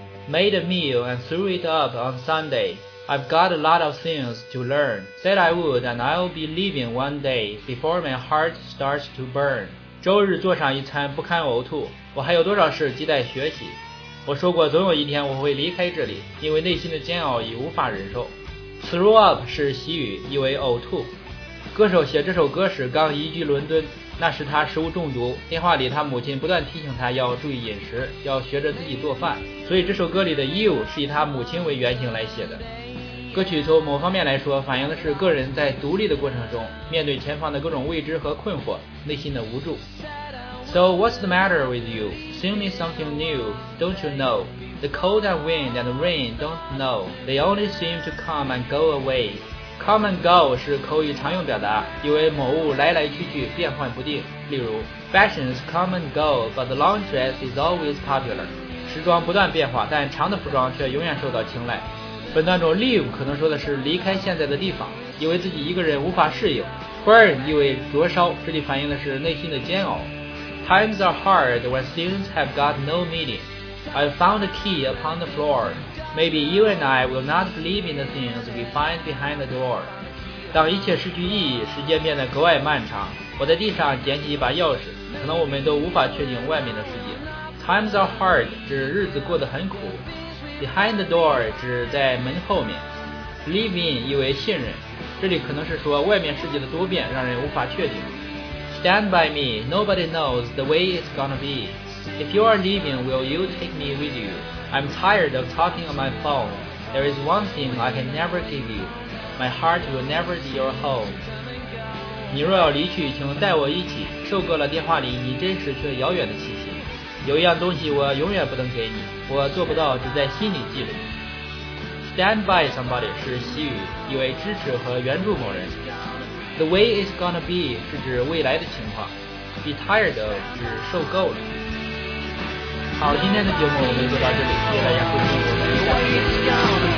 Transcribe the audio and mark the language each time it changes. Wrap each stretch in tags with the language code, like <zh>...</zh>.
<en>Made a meal and threw it up on Sunday. I've got a lot of things to learn. Said I would and I'll be leaving one day before my heart starts to burn.</en> <zh>周日坐上一餐不堪呕吐，我还有多少事亟待学习。我说过总有一天我会离开这里，因为内心的煎熬已无法忍受。 Throw up 是习语，意为呕吐。歌手写这首歌时刚移居伦敦，那时他食物中毒，电话里他母亲不断提醒他要注意饮食，要学着自己做饭，所以这首歌里的 You 是以他母亲为原型来写的。歌曲从某方面来说反映的是个人在独立的过程中面对前方的各种未知和困惑内心的无助。</zh> <en>So what's the matter with you? Sing me something new, don't you know? The cold and wind and rain don't know. They only seem to come and go awayCome and go</en> <zh>是口语常用表达，意为某物来来去去，变幻不定。例如</zh> <en>Fashions come and go, but the long dress is always popular.</en> <zh>时装不断变化，但长的服装却永远受到青睐。本段中 leave 可能说的是离开现在的地方，意为自己一个人无法适应。 Burn 意为灼烧，这里反映的是内心的煎熬。</zh> <en>Times are hard when things have got no meaning. I found a key upon the floor. Maybe you and I will not believe in the things we find behind the door.</en> <zh>当一切失去意义，时间变得格外漫长，我在地上捡起一把钥匙，可能我们都无法确定外面的世界。 Times are hard 指日子过得很苦。 Behind the door 指在门后面。 Believe in 意为信任，这里可能是说外面世界的多变让人无法确定。</zh> <en>Stand by me, nobody knows the way it's gonna be. If you are leaving, will you take me with you? I'm tired of talking on my phone. There is one thing I can never give you. My heart will never be your home.</en> <zh>你若要离去，请带我一起，受够了电话里你真实却遥远的气息。有一样东西我永远不能给你，我做不到只在心里记录。 Stand by somebody 是习语，意为支持和援助某人。 The way it's gonna be 是指未来的情况。 Be tired of 指受够了。好，今天的节目我们就到这里，谢谢大家收听，我们下期再见。</zh>